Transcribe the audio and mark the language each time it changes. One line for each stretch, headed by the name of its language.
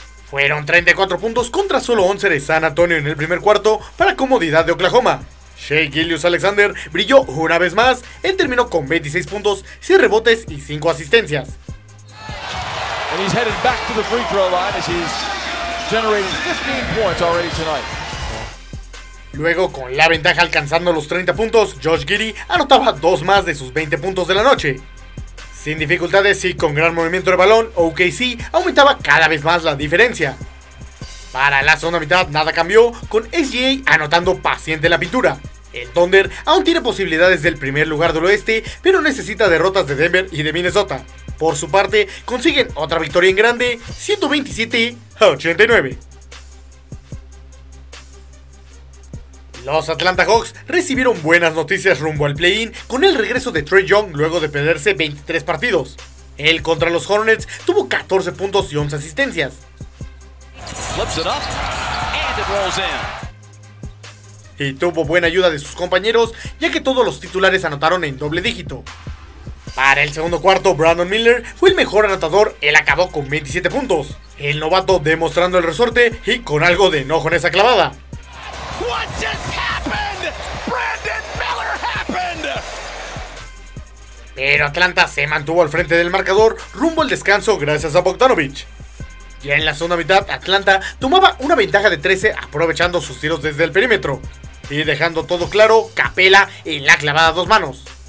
Spanish: Fueron 34 puntos contra solo 11 de San Antonio en el primer cuarto para comodidad de Oklahoma. Shai Gilgeous-Alexander brilló una vez más, él terminó con 26 puntos, 6 rebotes y 5 asistencias.
English: And he's headed back to the free throw line as he's generating 15 points already tonight.
Spanish: Luego, con la ventaja alcanzando los 30 puntos, Josh Giddey anotaba 2 más de sus 20 puntos de la noche. Sin dificultades y con gran movimiento de balón, OKC aumentaba cada vez más la diferencia. Para la segunda mitad, nada cambió, con SGA anotando paciente la pintura. El Thunder aún tiene posibilidades del primer lugar del oeste, pero necesita derrotas de Denver y de Minnesota. Por su parte, consiguen otra victoria en grande, 127-89. Los Atlanta Hawks recibieron buenas noticias rumbo al play-in con el regreso de Trae Young luego de perderse 23 partidos. Él contra los Hornets tuvo 14 puntos y 11 asistencias.
English: Flips it up, and it rolls in.
Spanish: Y tuvo buena ayuda de sus compañeros, ya que todos los titulares anotaron en doble dígito. Para el segundo cuarto, Brandon Miller fue el mejor anotador, él acabó con 27 puntos. El novato demostrando el resorte y con algo de enojo en esa clavada.
English: What just happened? Brandon Miller happened.
Spanish: Pero Atlanta se mantuvo al frente del marcador rumbo al descanso gracias a Bogdanovic. Ya en la segunda mitad, Atlanta tomaba una ventaja de 13 aprovechando sus tiros desde el perímetro. Y dejando todo claro, Capela en la clavada a dos manos.